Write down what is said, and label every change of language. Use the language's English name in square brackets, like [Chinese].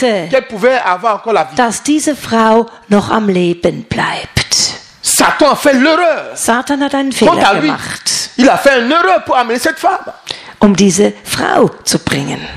[German] Wer dachte, dass diese Frau noch am Leben bleibt? [French] Satan, a fait l'erreur. [German] Satan hat einen Fehler [French] Quant à lui, [German] gemacht. [French] Il a fait une erreur pour amener cette femme. [German] Um diese Frau zu bringen.